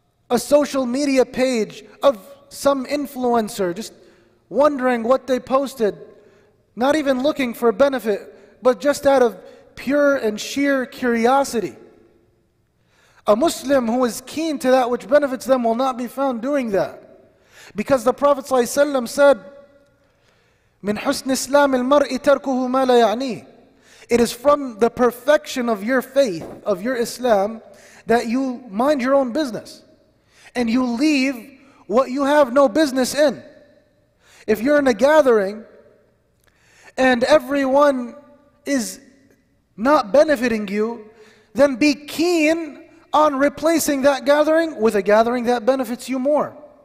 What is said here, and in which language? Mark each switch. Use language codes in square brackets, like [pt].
[en] a social media page of some influencer, just wondering what they posted, not even looking for benefit, but just out of pure and sheer curiosity. A Muslim who is keen to that which benefits them will not be found doing that. Because the Prophet ﷺ said, [ar] مِنْ حُسْنِ إِسْلَامِ الْمَرْءِ تَرْكُهُ مَا لَا يَعْنِي. [en] It is from the perfection of your faith, of your Islam, that you mind your own business. And you leave what you have no business in. If you're in a gathering, and everyone is not benefiting you, then be keen on replacing that gathering with a gathering that benefits you more.